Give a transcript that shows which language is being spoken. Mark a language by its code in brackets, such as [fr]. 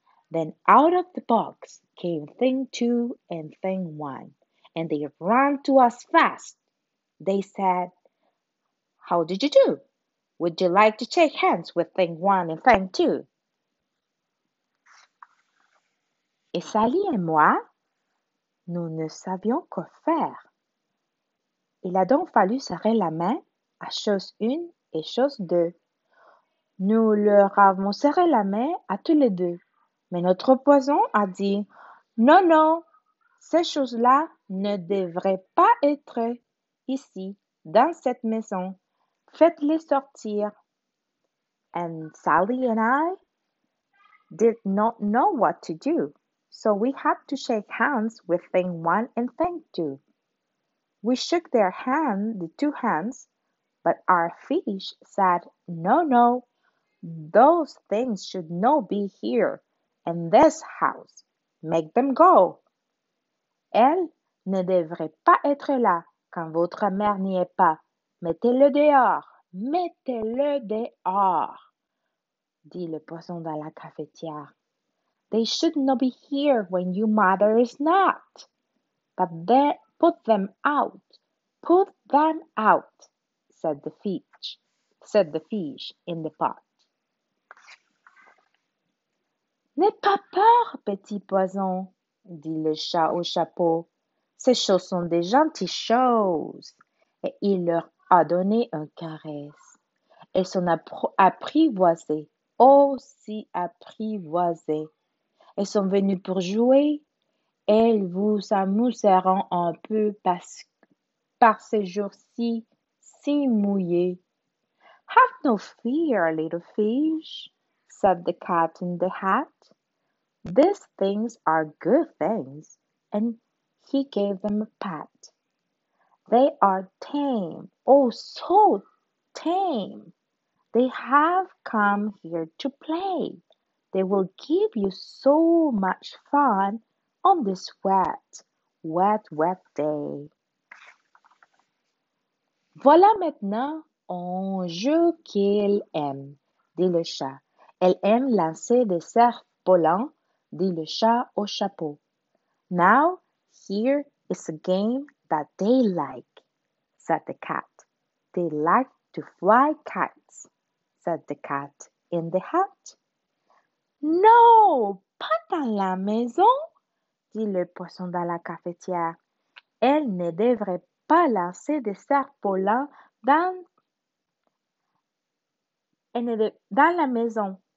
[en] Then out of the box came thing two and thing one. And they ran to us fast. They said, how did you do? Would you like to shake hands with thing one and thing two? [fr] Et Sally et moi, nous ne savions que faire. Il a donc fallu serrer la main à chose 1 et chose 2. Nous leur avons serré la main à tous les deux. Mais notre poisson a dit, « Non, non, ces choses-là ne devraient pas être ici, dans cette maison. Faites-les sortir. [en] » And Sally and I did not know what to do. So we had to shake hands with thing one and thing two. We shook their hand, the two hands, but our fish said, no, no, those things should not be here in this house. Make them go. [fr] Elle ne devrait pas être là quand votre mère n'y est pas. Mettez-le dehors. Mettez-le dehors, dit le poisson dans la cafetière. [en] They should not be here when your mother is not. But then put them out. Put them out, said the fish in the pot. [fr] N'aie pas peur, petit poison, dit le chat au chapeau. Ces choses sont des gentilles choses. Et il leur a donné une caresse. Elles sont apprivoisées, aussi apprivoisées. Elles sont venues pour jouer. Elles vous amuseront un peu par ces jours-ci si mouillés. [en] Have no fear, little fish, said the cat in the hat. These things are good things. And he gave them a pat. They are tame. Oh, so tame. They have come here to play. They will give you so much fun on this wet, wet, wet day. [fr] Voilà maintenant un jeu qu'elle aime, dit le chat. Elle aime lancer des cerfs volants, dit le chat au chapeau. [en] Now, here is a game that they like, said the cat. They like to fly kites, said the cat in the hat. [fr] Non, pas dans la maison, dit le poisson dans la cafetière. Elle ne devrait pas lancer des cerfs volants dans la maison.